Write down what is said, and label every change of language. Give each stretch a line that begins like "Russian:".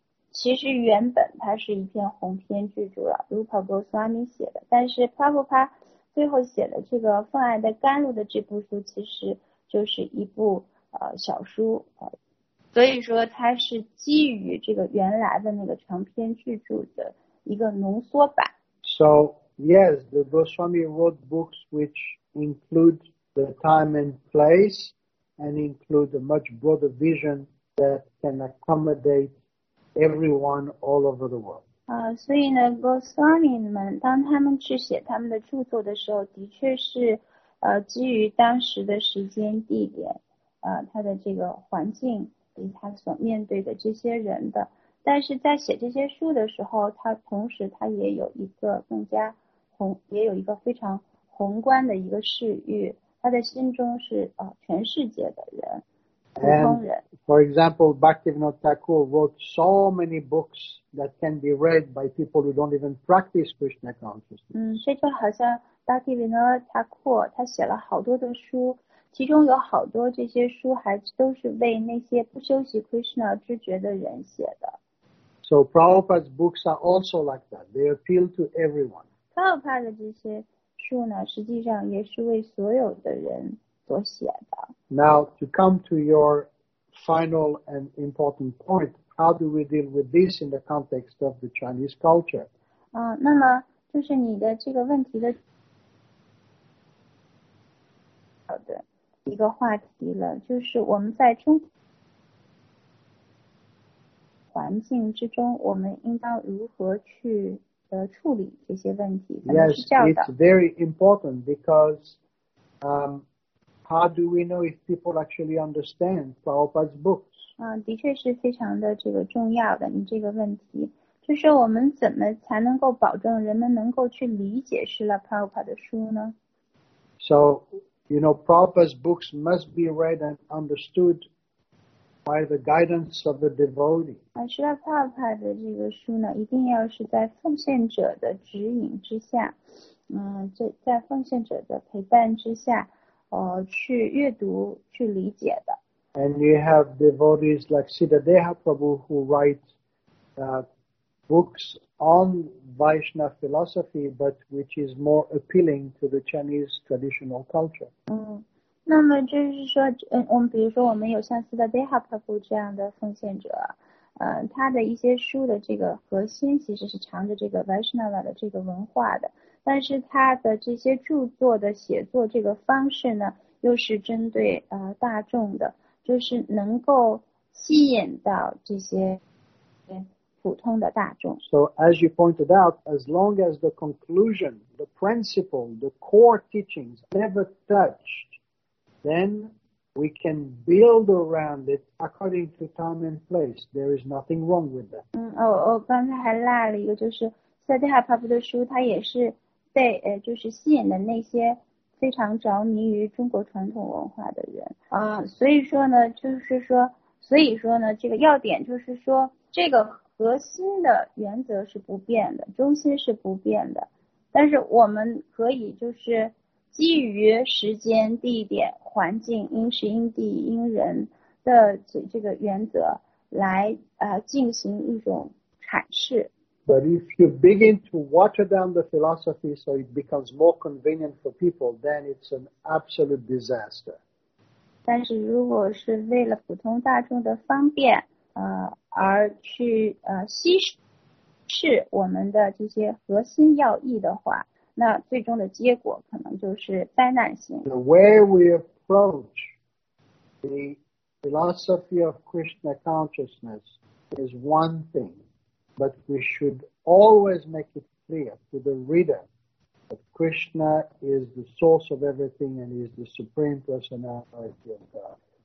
Chinese: 其实原本它是一篇鸿篇巨著了， Rupa Goswami 写的，但是 Prabhupada 最后写的这个奉爱的甘露的这部书其实就是一部小书所以说它是基于这个原来的那个长篇巨著的一个浓缩版。
English: So, yes, the Goswami wrote books which include the time and place and include a much broader vision that can accommodate everyone all over the world.
Chinese: 所以呢 Goswami 们当他们去写他们的著作的时候的确是基于当时的时间地点他的这个环境以他所面对的这些人的，但是在写这些书的时候，他同时他也有一个更加也有一个非常宏观的一个视域，他的心中是全世界的人，普通人。
English: For example, Bhaktivinoda Thakur wrote so many books that can be read by people who don't even practice Krishna consciousness.
Chinese: 所以就好像 Bhaktivinoda Thakur 他写了好多的书。其中有好多这些书还都是为那些不修习 Krishna 知觉的人写的。
English: So Prabhupada's books are also like that. They appeal to everyone.
Chinese: Prabhupada 的这些书呢，实际上也是为所有的人所写的。
English: Now to come to your final and important point, how do we deal with this in the context of the Chinese culture?
Chinese: 那么就是你的这个问题的。好的。一个话题了，就是我们在中环境之中，我们应当如何去处理这些问题？怎么去教导
English: ？Yes, it's very important because, how do we know if people actually understand Prabhupada's books?
Chinese: 的确是非常的这个重要的。你这个问题，就是我们怎么才能够保证人们能够去理解是了 Prabhupada 的书呢
English: ？So. You know, Prabhupada's books must be read and understood by the guidance of the devotee.
Chinese: 是的 ，Prabhupada 的这个书呢，一定要是在奉献者的指引之下。在奉献者的陪伴之下，去阅读，去理解的。
English: And you have devotees like Siddhadeha Prabhu who write books on Vaishnava philosophy, but which is more appealing to the Chinese traditional culture.
Chinese: 那么就是说，我们比如说我们有像Siddhadeha Prabhu这样的奉献者，他的一些书的这个核心其实是藏着这个 Vaishnava 的这个文化的，但是他的这些著作的写作这个方式呢，又是针对大众的，就是能够吸引到这些普通的大众。
English: So as you pointed out, as long as the conclusion, the principle, the core teachings never touched, then we can build around it according to time and place. There is nothing wrong with that.
Chinese: 我刚才还落了一个，就是 Siddhartha Prabhu 的书，他也是被就是吸引的那些非常着迷于中国传统文化的人啊，所以说呢，这个要点就是说，这个核心的原则是不变的，中心是不变的，但是我们可以就是基于时间、地点、环境、因时、因地、因人的这个原则来进行一种阐释。
English: But if you begin to water down the philosophy so it becomes more convenient for people, then it's an absolute disaster.
Chinese: 但是如果是为了普通大众的方便而去稀释我们的这些核心要义的话，那最终的结果可能就是灾难性。
English: The way we approach the philosophy of Krishna consciousness is one thing. But we should always make it clear to the reader that Krishna is the source of everything and is the supreme personality of God.